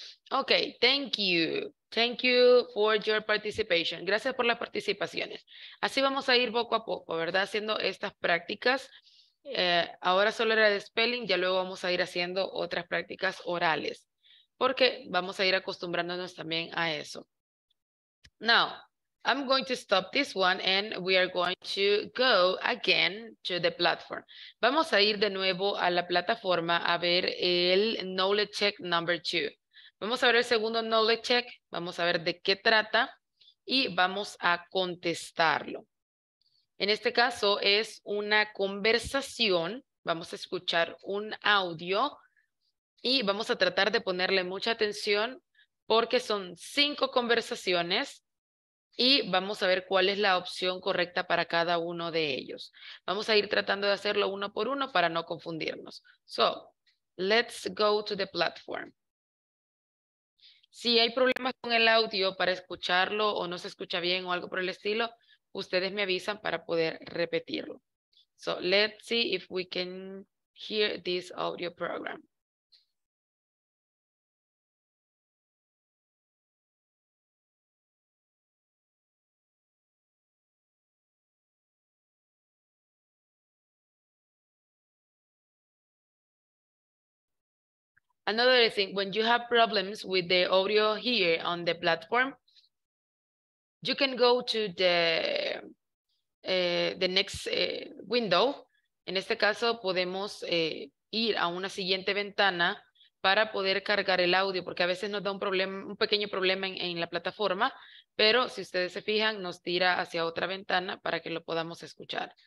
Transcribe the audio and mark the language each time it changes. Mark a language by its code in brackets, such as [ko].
[en] Okay, thank you. Thank you for your participation. [es] Gracias por las participaciones. Así vamos a ir poco a poco, ¿verdad? Haciendo estas prácticas. Ahora solo era de spelling, ya luego vamos a ir haciendo otras prácticas orales. Porque vamos a ir acostumbrándonos también a eso. [en] Now, I'm going to stop this one and we are going to go again to the platform. [es] Vamos a ir de nuevo a la plataforma a ver el knowledge check number 2. Vamos a ver el segundo knowledge check, vamos a ver de qué trata y vamos a contestarlo. En este caso es una conversación, vamos a escuchar un audio y vamos a tratar de ponerle mucha atención porque son 5 conversaciones. Y vamos a ver cuál es la opción correcta para cada uno de ellos. Vamos a ir tratando de hacerlo uno por uno para no confundirnos. [en] So, let's go to the platform. [es] Si hay problemas con el audio para escucharlo o no se escucha bien o algo por el estilo, ustedes me avisan para poder repetirlo. [en] So, let's see if we can hear this audio program. Another thing, when you have problems with the audio here on the platform, you can go to the next window. [es] En este caso, podemos ir a una siguiente ventana para poder cargar el audio, porque a veces nos da un problema, un pequeño problema en la plataforma, pero si ustedes se fijan, nos tira hacia otra ventana para que lo podamos escuchar.